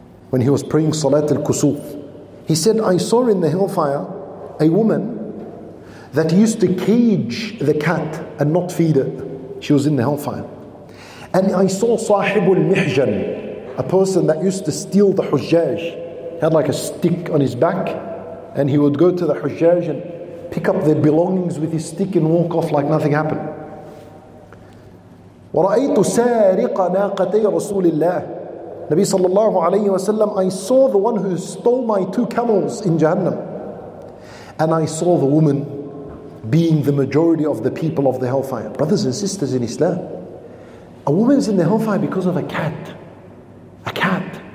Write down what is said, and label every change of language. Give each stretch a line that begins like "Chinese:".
English: When he was praying Salat al-Kusuf. He said, I saw in the hellfire a woman that used to cage the cat and not feed it. She was in the hellfire. And I saw Sahibul Mihjan, a person that used to steal the Hujjaj. He had like a stick on his back, and he would go to the Hujjaj and pick up their belongings with his stick and walk off like nothing happened.
Arabic: ورأيت سارق ناقتي رسول الله.
English: نبي صلى الله عليه وسلم, I saw the one who stole my two camels in Jahannam. And I saw the woman being the majority of the people of the hellfire. Brothers and sisters in Islam, a woman's in the hellfire because of a cat. A cat.